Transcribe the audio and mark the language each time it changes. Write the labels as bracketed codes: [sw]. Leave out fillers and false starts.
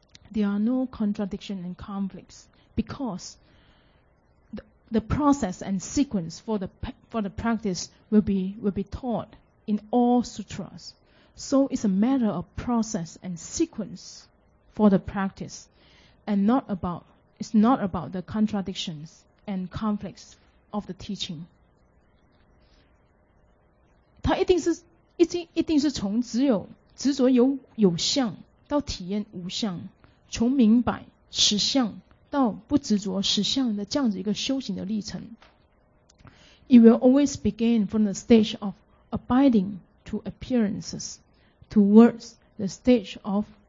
[en] There are no contradictions and conflicts because the process and sequence for the practice will be taught in all sutras. So it's a matter of process and sequence for the practice. And it's not about the contradictions and conflicts of the teaching. [zh] 它一定是从只有执着有相到体验无相，从明白实相到不执着实相的这样子一个修行的历程。 [en] It will always begin from the stage of abiding to appearances towards the stage of.